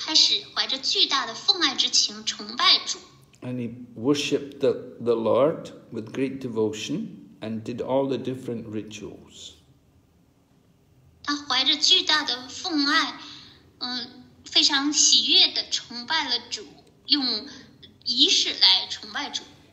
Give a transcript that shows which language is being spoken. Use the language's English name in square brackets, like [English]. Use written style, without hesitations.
[Chinese] 就放在一座吉祥的金质宝座上，就开始怀着巨大的奉爱之情崇拜主。 [English] And he worshipped the Lord with great devotion and did all the different rituals. [Chinese] 他怀着巨大的奉爱，非常喜悦的崇拜了主，用仪式来崇拜主。